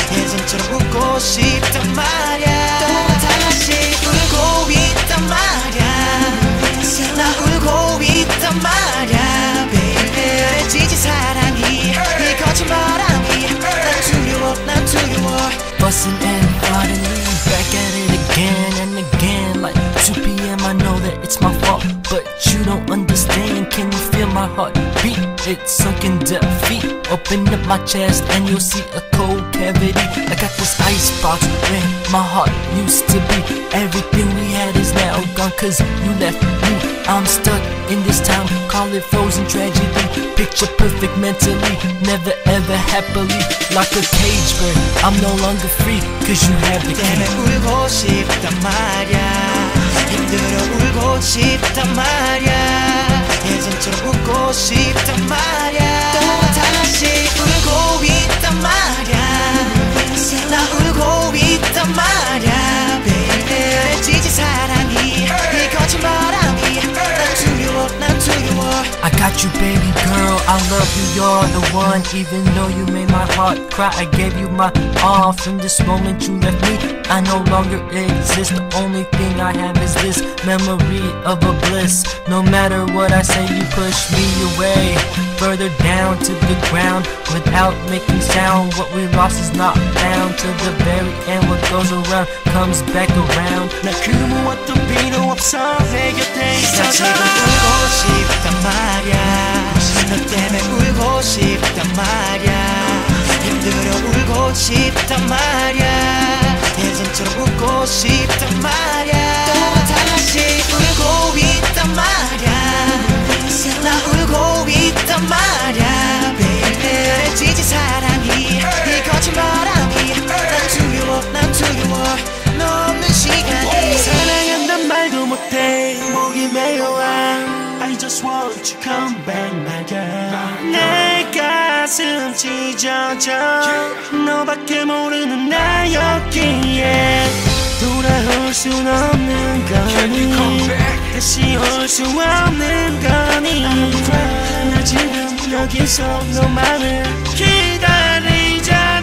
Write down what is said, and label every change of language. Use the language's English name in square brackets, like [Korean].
[Korean] 예전처럼 웃고 싶단 말야. 또 다시 울고 있단 말야. 나 울고 있단 말야. 매일매일 지지 사랑이 이 거짓말함이 난 두려워 난 두려워. [English] What's in and what in me. Back at it again and again. Like 2 PM I know that it's my fault. But you don't understand. Can you feel my heartbeat? It's sunken defeat. Open up my chest and you'll see a cold cavity. I got this icebox where my heart used to be. Everything we had is now gone cause you left me. I'm stuck in this time, call it frozen tragedy. Picture perfect mentally, never ever happily. Like a cage bird, I'm no longer free cause you have the key. [Korean] 울고 싶단 말야. 힘들어 울고 싶단 말야. 예전처럼 웃고 싶단 말야. 또 다시 울고 있단 말야. 나 울고 있단 말야. 매일매일 지지 사랑이 이 거짓말함이 난 두려워 난 두려워. [English] I got you baby girl, I love you, you're the one. Even though you made my heart cry, I gave you my all. From this moment you left me, I no longer exist. The only thing I have is this memory of a bliss. No matter what I say, you push me away. Further down to the ground, without making sound. What we lost is not found. To the very end, what goes around comes back around. [Korean] 난 그 무엇도 필요 없어. 내 곁에 있어서 울고 싶단 말야. 너 때문에 울고 싶단 말야. 힘들어 울고 싶단 말야. 예전처럼 웃고 싶단 말야. 또 다시 울고 있단 말야. 나 울고 있단 말야. 매일매일 지지 사랑이 이 거짓말함이 난 두려워 난 두려워. 너 없는 시간이 사랑한단 말도 못해. 목이 메어와 [English] I just want to come back my girl. [Korean] 내 가슴 찢어져 너밖에 모르는 나였기에 돌아올 순 없는 거니. 다시 올 수 없는 거니. 나 지금 여기서 너만을 기다리잖아.